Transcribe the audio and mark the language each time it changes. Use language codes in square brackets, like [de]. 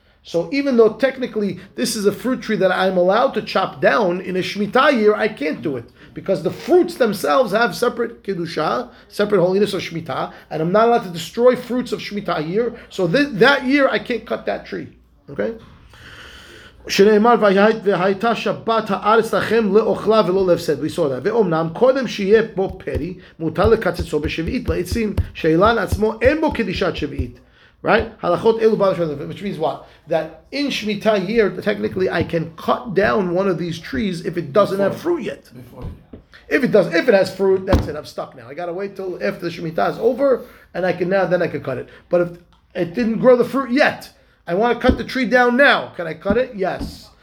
[en] So even though technically this is a fruit tree that I'm allowed to chop down in a Shemitah year, I can't do it because the fruits themselves have separate kedusha, separate holiness of Shemitah, and I'm not allowed to destroy fruits of Shemitah year. So that year I can't cut that tree. Okay. [he] שנאמר והייתה שבת הארץ לכם לאוכלה ולא להפסד. [en] We saw that. [he] ואומנם קודם שיהיה בו פרי, מותר לקצצו בשביעית לעצים, שאילן עצמו אין בו קדישת שביעית. [en] Right? [he] הלכות אלו בעל השביעית. [en] Which means what? That in Shemitah year, technically, I can cut down one of these trees if it doesn't have fruit yet. Before. If it does, if it has fruit, that's it. I'm stuck now. I gotta wait till after the Shemitah is over, and I can now then I can cut it. But if it didn't grow the fruit yet, I want to cut the tree down now. Can I cut it? Yes.